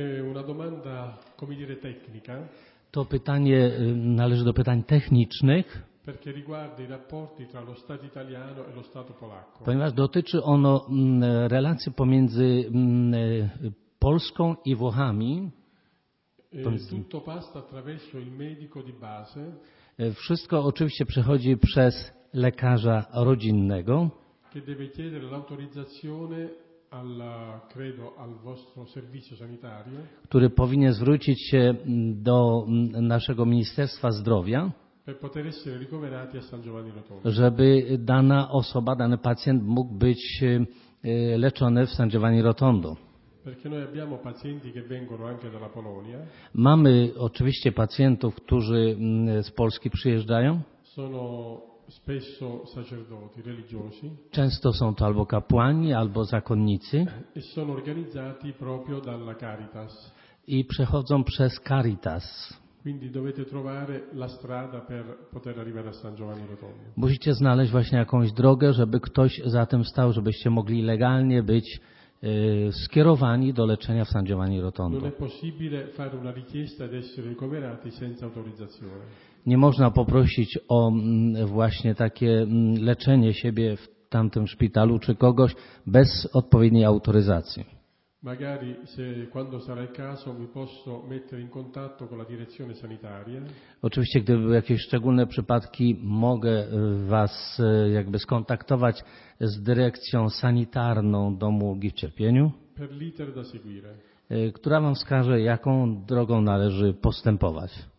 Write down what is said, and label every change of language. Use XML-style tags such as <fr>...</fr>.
<it>Una domanda, come dire, tecnica.</it> <pl>To pytanie należy do pytań technicznych.</pl> <it>perché riguarda i rapporti tra lo Stato italiano e lo Stato polacco.</it> <pl>Ponieważ dotyczy ono relacji pomiędzy Polską i Włochami.</pl> <it>Tutto passa attraverso il medico di base.</it> <pl>Wszystko oczywiście przechodzi przez lekarza rodzinnego.</pl> <it>Che deve chiedere l'autorizzazione al, credo, al vostro servizio sanitario.</it> <pl>Który powinien zwrócić się do naszego Ministerstwa Zdrowia.</pl> <it>Per poter essere ricoverati a San Giovanni Rotondo.</it> <pl>Żeby dana osoba, dany pacjent mógł być leczony w San Giovanni Rotondo.</pl> <it>Perché noi abbiamo pacienti che vengono anche dalla Polonia.</it> <pl>Mamy oczywiście pacjentów, którzy z Polski przyjeżdżają.</pl> <it>Sono spesso sacerdoti religiosi.</it> <pl>Często są to albo kapłani, albo zakonnicy.</pl> <it>E sono organizzati proprio dalla Caritas.</it> <pl>I przechodzą przez Caritas.</pl> <it>Quindi dovete trovare la strada per poter arrivare a San Giovanni Rotondo.</it> <pl>Musicie znaleźć właśnie jakąś drogę, żeby ktoś za tym stał, żebyście mogli legalnie być skierowani do leczenia w San Giovanni Rotondo.</pl> <it>Non è possibile fare una richiesta ed essere ricoverati senza autorizzazione.</it> <pl>Nie można poprosić o właśnie takie leczenie siebie w tamtym szpitalu czy kogoś bez odpowiedniej autoryzacji.</pl> <it>Magari se quando sarà il caso mi posso mettere in contatto con la direzione sanitaria.</it> <pl>Oczywiście gdyby były jakieś szczególne przypadki, mogę was jakby skontaktować z dyrekcją sanitarną domu ulgi w cierpieniu.</pl> <it>Per l'iter da seguire.</it> <pl>Która wam wskaże, jaką drogą należy postępować.</pl>